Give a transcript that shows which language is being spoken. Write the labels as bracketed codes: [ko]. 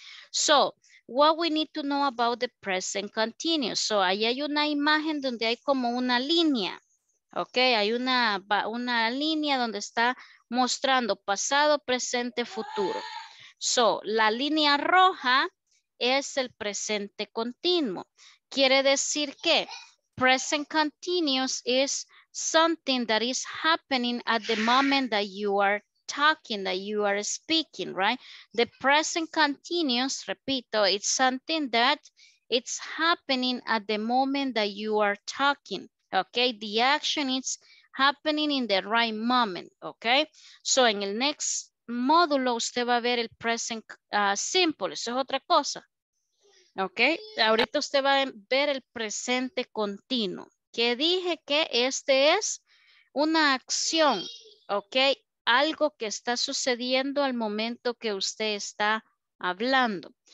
[en] So, what we need to know about the present continuous. [es] So, ahí hay una imagen donde hay como una línea, ok, hay una línea donde está mostrando pasado, presente, futuro. So, la línea roja es el presente continuo. Quiere decir que [en] present continuous is something that is happening at the moment that you are talking, that you are speaking, right? The present continuous, repito, it's something that it's happening at the moment that you are talking, okay? The action is happening in the right moment, okay? [es] So en el next módulo usted va a ver el present simple, eso es otra cosa, okay? Ahorita usted va a ver el presente continuo. Que dije que este es una acción, ¿ok? Algo que está sucediendo al momento que usted está hablando.